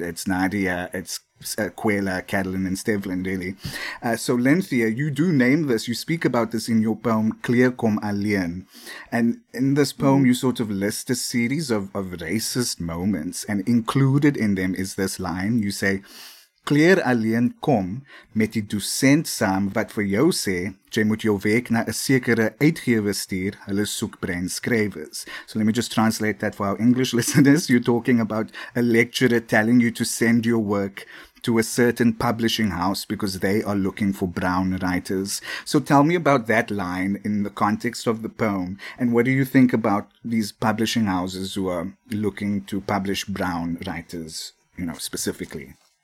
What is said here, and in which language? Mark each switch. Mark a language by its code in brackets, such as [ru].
[en] It's Nadia, it's Kwela, Catalin, and Stevlin, really. So, Lynthia, you do name this. You speak about this in your poem, Clear Kom Alien. And in this poem, you sort of list a series of racist moments. And included in them is this line. You say, [af] Klere alleen kom met die docent saam wat vir jou sê, jy moet jou werk na 'n sekere uitgewer stuur, hulle soek brein skrywers. [en] So let me just translate that for our English listeners. You're talking about a lecturer telling you to send your work to a certain publishing house because they are looking for brown writers. So tell me about that line in the context of the poem, and what do you think about these publishing houses who are looking to publish brown writers, you know, specifically?